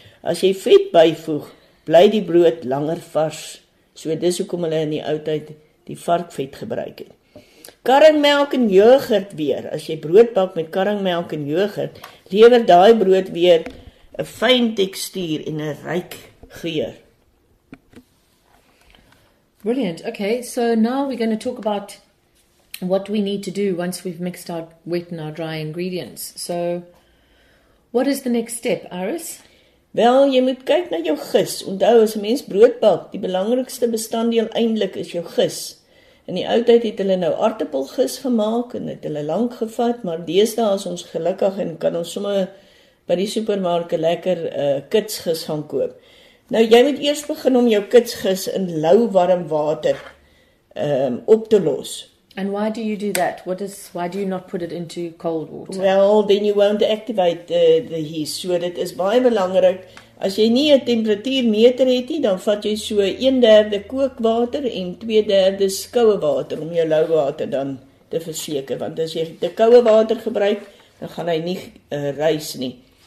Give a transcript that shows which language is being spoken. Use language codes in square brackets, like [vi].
[af] As jy vet byvoeg, bly die brood langer vars. So dis hoekom hulle in die ou tyd die varkvet gebruik het. Karringmelk en jogurt weer. As jy brood bak met karringmelk en jogurt, lewer daai brood weer 'n fyn tekstuur en 'n ryk geur. [en] Brilliant. Okay, so now we're going to talk about what we need to do once we've mixed our wet and our dry ingredients. So what is the next step, Iris? [af] Wel, jy moet kyk na jou gis. Onthou, as 'n mens brood bak, die belangrikste bestanddeel eintlik is jou gis. In die ou tyd het hulle nou aartappelgis gemaak en het hulle lank gevat, maar deesdae is ons gelukkig en kan ons sommer by die supermarke lekker kitsgis gaan koop. Nou, jy moet eers begin om jou kitsgis in lou warm water op te los. [en] And why do you do that? Why do you not put it into cold water? Well, then you won't activate the yeast. [af] So dit is baie belangrik. As jy nie 'n temperatuurmeter het nie, dan vat jy so 1/3 kookwater en 2/3 koue water om jou lou water dan te verseker. Want as jy te koue water gebruik, dan gaan hy nie rys nie.